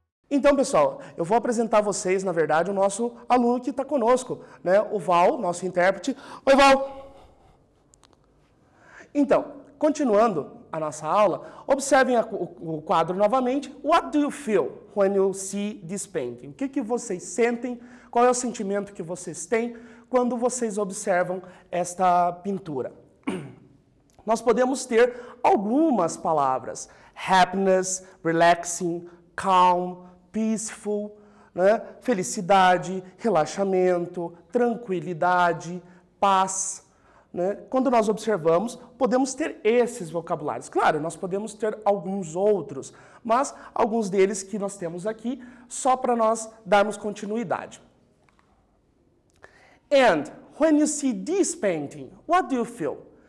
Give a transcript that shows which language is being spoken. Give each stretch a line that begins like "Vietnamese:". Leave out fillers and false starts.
Portuguese: Então, pessoal, eu vou apresentar a vocês, na verdade, o nosso aluno que está conosco, né? O Val, nosso intérprete. Oi, Val! Então, continuando a nossa aula, observem o quadro novamente.
English: What do you feel when you see this painting?
Portuguese: O que vocês sentem? Qual é o sentimento que vocês têm quando vocês observam esta pintura? Nós podemos ter algumas palavras.
English: Happiness, relaxing, calm, peaceful,
Portuguese: né? Felicidade, relaxamento, tranquilidade, paz, né? Quando nós observamos, podemos ter esses vocabulários. Claro, nós podemos ter alguns outros, mas alguns deles que nós temos aqui, só para nós darmos continuidade.
English: And when you see this painting, what do you feel?